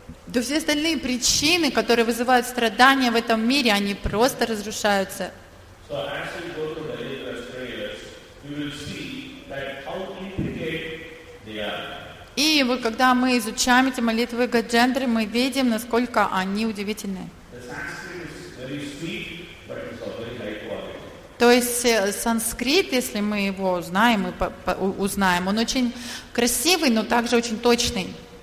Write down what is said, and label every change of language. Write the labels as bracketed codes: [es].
[ru] То все остальные причины, которые вызывают страдания в этом мире, они просто разрушаются. [en] So, as we go to the Lord's prayers, you will see that how intricate they are. [ru] И вот когда мы изучаем эти молитвы Гаджендры, мы видим, насколько они удивительны. [en] The Sanskrit is very sweet, but it's of very high quality. [ru] То есть санскрит, если мы его знаем и узнаем, он очень красивый, но также очень точный.